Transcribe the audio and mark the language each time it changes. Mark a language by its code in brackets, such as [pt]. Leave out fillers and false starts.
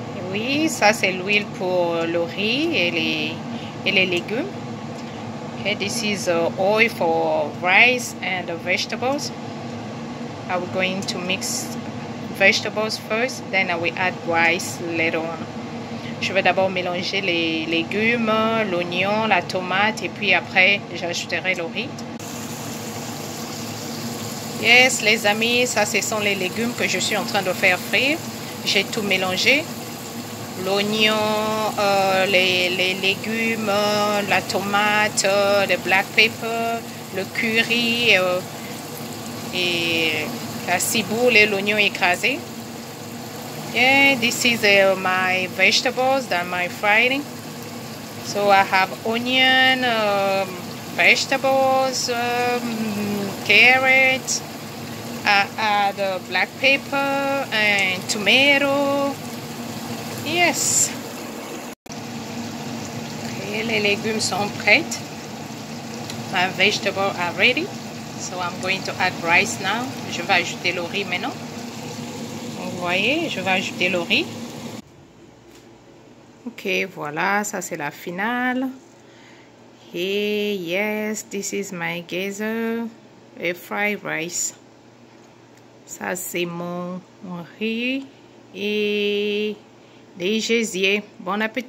[fr] Oui, ça c'est l'huile pour le riz et les légumes. [en] Okay, this is oil for rice and vegetables. I'm going to mix vegetables first, then I will add rice later on. [fr] Je vais d'abord mélanger les légumes, l'oignon, la tomate et puis après j'ajouterai le riz. Yes, les amis, ça ce sont les légumes que je suis en train de faire frire. J'ai tout mélangé. L'oignon, les légumes, la tomate, le black pepper, le curry et la ciboule et l'oignon écrasé. [en] Yeah, this is my vegetables that I'm frying. So I have onion, vegetables, carrots. I add black pepper and tomato. Yes. [fr] Okay, les légumes sont prêts. [en] My vegetables are ready. So I'm going to add rice now. [fr] Je vais ajouter le riz maintenant. Vous voyez, je vais ajouter le riz. Ok, voilà, ça c'est la finale. [en] Et yes, this is my geyser, a fried rice. [fr] Ça c'est mon riz et des gésiers. Bon appétit.